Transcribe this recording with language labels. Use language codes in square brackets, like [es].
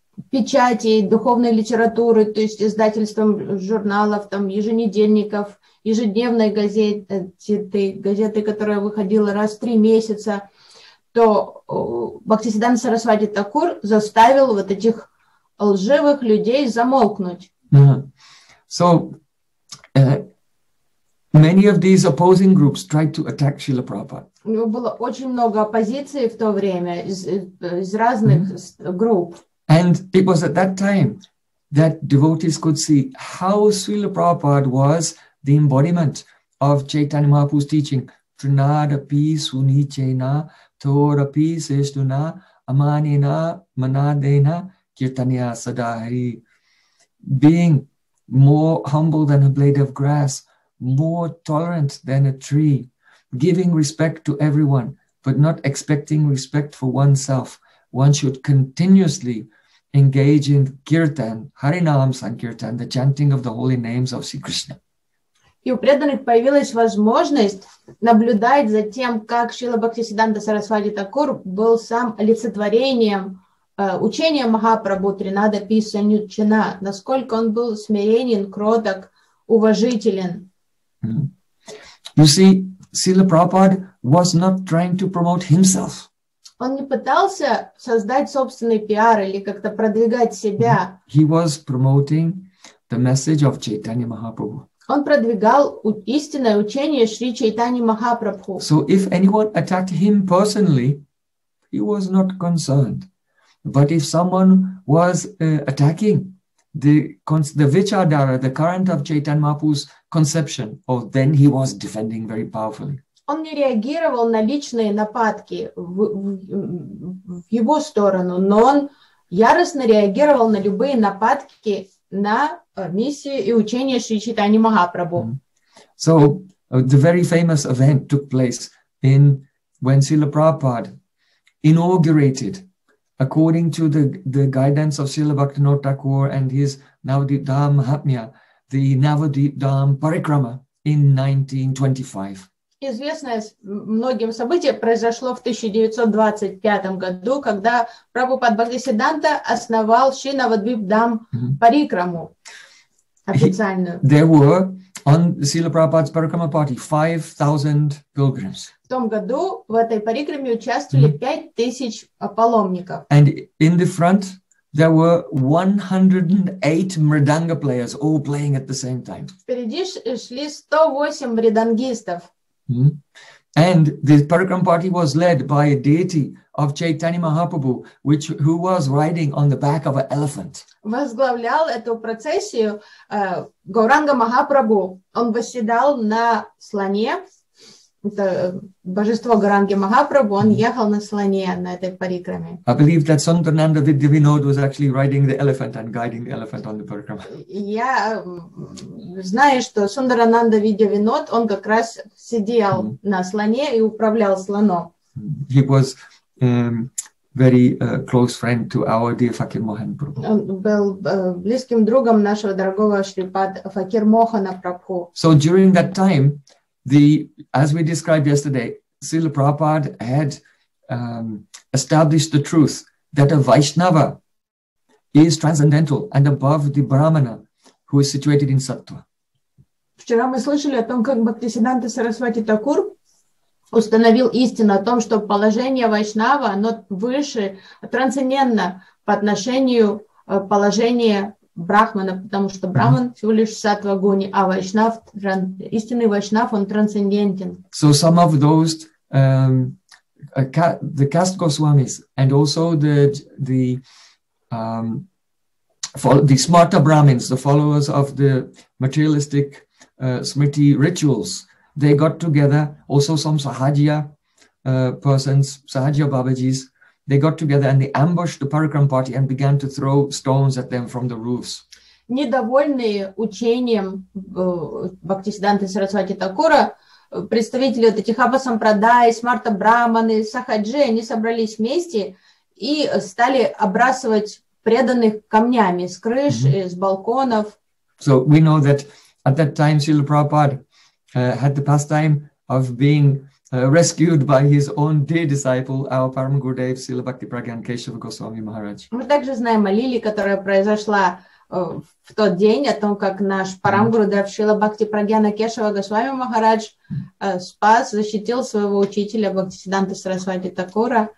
[ru] печати, духовной литературы, то есть издательством журналов, там, еженедельников, ежедневной газеты, которая выходила раз в три месяца, то Бхактисиддханта Сарасвати Такур заставил вот этих лживых людей замолкнуть. [en] So, many of these opposing groups tried to attack Srila Prabhupada. [ru] У него было очень много оппозиции в то время из разных групп. [en] And it was at that time that devotees could see how Srila Prabhupada was the embodiment of Chaitanya Mahaprabhu's teaching. [sa] Trinadapi sunichena torapi seshtuna amanena manadena kirtanya sadahari. [en] Being more humble than a blade of grass, more tolerant than a tree, giving respect to everyone, but not expecting respect for oneself. One should continuously engage in kirtan, harinam sankirtan, the chanting of the holy names of Sri Krishna. [ru] И у преданных появилась возможность наблюдать за тем, как Шрила Бхактисиддханта Сарасвати Такур был сам олицетворением учения Махапрабху Тринада Писа Нючина, насколько он был смиренен, кроток, уважителен. [en] You see, Srila Prabhupada was not trying to promote himself. [ru] Он не пытался создать собственный пиар или как-то продвигать себя. [en] He was promoting the message of Chaitanya Mahaprabhu. [ru] Он продвигал истинное учение Шри Чайтани Махапрабху. [en] So if anyone attacked him personally, he was not concerned. But if someone was attacking the Vichardhara, the current of Chaitanya Mahaprabhu's conception, oh, then he was defending very powerfully. [ru] Он не реагировал на личные нападки в его сторону, но он яростно реагировал на любые нападки на миссию и учение Шри Чайтани Махапрабху. [en] So, the very famous event took place in when Srila Prabhupada inaugurated, according to the guidance of Srila Bhaktivinoda Thakur and his Navadvip Dham Mahatmya, the Navadvip Dham Parikrama in 1925. [ru] Известное многим событие произошло в 1925 году, когда Прабхупада Бхактисиддханта основал Шри Навадвип Дам Парикраму официальную. [en] There were on Srila Prabhupada's Parikrama party 5,000 pilgrims. [ru] В том году в этой парикраме участвовали 5,000 паломников. [en] And in the front there were 108 мриданга players all playing at the same time. [ru] Впереди шли 108 мридангистов. [en] And the Parikram party was led by a deity of Chaitanya Mahaprabhu, who was riding on the back of an elephant. [ru] Возглавлял эту процессию Гауранга Махапрабху. Он восседал на слоне. Это божество Гауранги Махапрабху. Он ехал на слоне на этой парикраме. [en] I believe that Sundarananda Vidyavinod was actually riding the elephant and guiding the elephant on the Parikrama. [ru] Я знаю, что Сундарананда Видьявинод, он как раз сидел на слоне и управлял слоном. [en] He was very close friend to our dear Fakir Mohan Prabhu. [ru] Он был близким другом нашего дорогого Шрипада Факир Мохана Прабху. [en] So during that time, as we described yesterday, Srila Prabhupada had established the truth that a Vaishnava is transcendental and above the Brahmana who is situated in sattva. [ru] Вчера мы слышали о том, как Бхактисиддханта Сарасвати Такур установил истину о том, что положение Вайшнава, оно выше, трансцендентно по отношению положения Брахмана, потому что Брахман всего лишь сатва гуни, а Вайшнав, истинный Вайшнав, он трансцендентен. [en] So some of those, the caste Goswamis and also the the smarta brahmins, the followers of the materialistic smriti rituals, they got together, also some sahajya persons, sahajya babajis, they got together and they ambushed the Parikram party and began to throw stones at them from the roofs. [ru] Недовольные учением Бхактисиддханты Сарасвати Такура, представители вот этих апасампрадай, смарта брахманы, сахаджи, они собрались вместе и стали обрасывать преданных камнями с крыш, с балконов. [en] So we know that at that time Srila Prabhupada had the pastime of being rescued by his own dear disciple, our Param Gurudev, Srila Bhakti Pragyan Keshava Goswami Maharaj. [ru] Мы также знаем о лиле, которая произошла в тот день, о том, как наш Param Gurudev, Srila Bhakti Pragyan Keshava Goswami Maharaj спас, защитил своего учителя, Бхактисиддханта Сарасвати Такура.